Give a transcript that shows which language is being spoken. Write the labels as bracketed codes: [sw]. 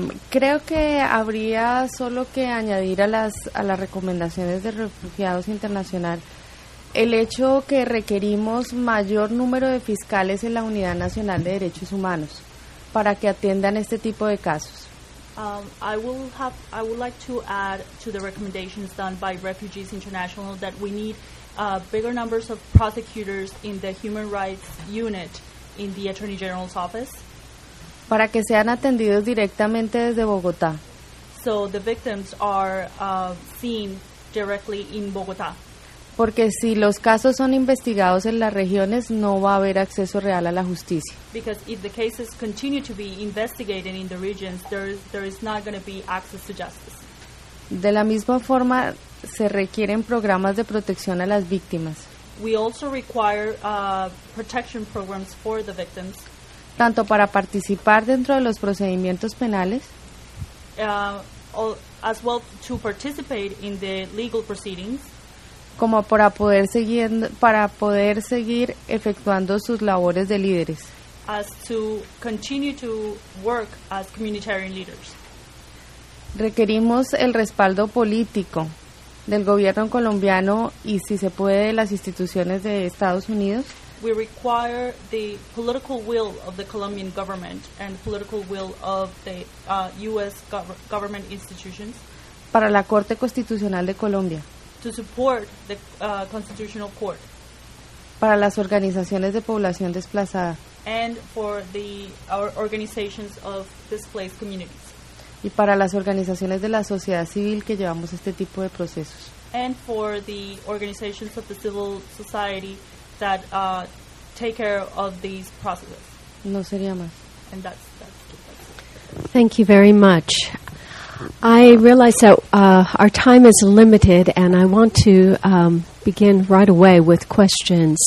[es] Creo que habría solo que añadir a las recomendaciones de Refugiados Internacional el hecho que requerimos mayor número de fiscales en la Unidad Nacional de Derechos Humanos para que atiendan este tipo de casos. [en] I would like to add to the recommendations done by Refugees International that we need bigger numbers of prosecutors in the Human Rights Unit in the Attorney General's Office. [es] Para que sean atendidos directamente desde Bogotá. [en] So the victims are seen directly in Bogotá. [es] Porque si los casos son investigados en las regiones, no va a haber acceso real a la justicia. [en] Because if the cases continue to be investigated in the regions, there is not going to be access to justice. [es] De la misma forma, se requieren programas de protección a las víctimas. [en] We also require protection programs for the victims. [es] Tanto para participar dentro de los procedimientos penales, [en] as well to participate in the legal proceedings, [es] como para poder seguir efectuando sus labores de líderes, [en] as to continue to work as communitarian leaders. [es] Requerimos el respaldo político del gobierno colombiano y, si se puede, de las instituciones de Estados Unidos. [en] we require the political will of the Colombian government and political will of the U.S. government institutions. [es] Para la Corte Constitucional de Colombia. [en] To support the constitutional court. [es] Para las organizaciones de población desplazada. [en] And for the organizations of displaced communities. [es] Y para las organizaciones de la sociedad civil que llevamos este tipo de procesos. [en] And for the organizations of the civil society that take care of these processes. [es] No sería más. [en] And that's thank you very much. I realize that our time is limited, and I want to begin right away with questions.